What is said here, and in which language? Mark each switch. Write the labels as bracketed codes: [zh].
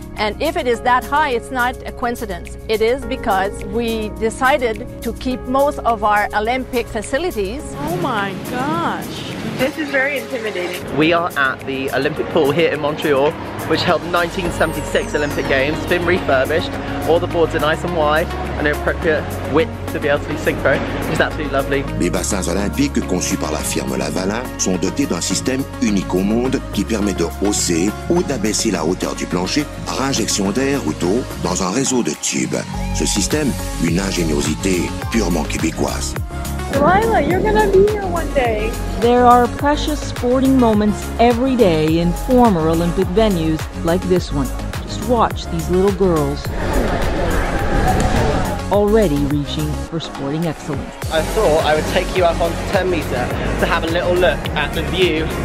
[en] And if it is that high, it's not a coincidence. It is because we decided to keep most of our Olympic facilities. Oh my gosh. This is very intimidating. We are at the Olympic pool here in Montreal, which held 1976 Olympic Games. It's been refurbished. All the boards are nice and wide and an appropriate width to be able to be synchro. It's absolutely lovely. [fr] Les bassins olympiques conçus par la firme Lavalin sont dotés d'un système unique au monde qui permet de hausser ou d'abaisser la hauteur du plancher par injection d'air ou d'eau dans un réseau de tubes. Ce système, une ingéniosité purement québécoise. [en] Delilah, you're going to be here one day. There are precious sporting moments every day in former Olympic venues like this one. Just watch these little girls already reaching for sporting excellence. I thought I would take you up onto 10 meter to have a little look at the view.